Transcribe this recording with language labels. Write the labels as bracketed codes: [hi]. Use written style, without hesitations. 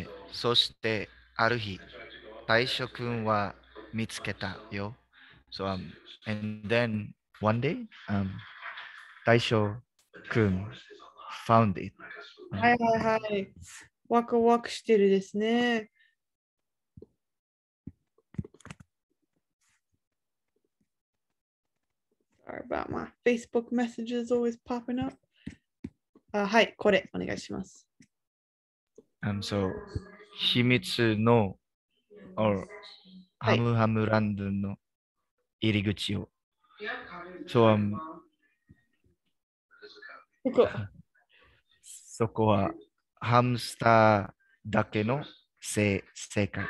[ja] そしてある日、大将くんは見つけたよ。 [en] So and then one day, 大将くん found it. [ja] はいはいはい。ワクワクしてるですね。 [en] Sorry about my Facebook messages always popping up. [ja] はい、これお願いします。 So, 秘密の or、はい、ハムハムランドの入り口を。 So, そこはハムスターだけの世界。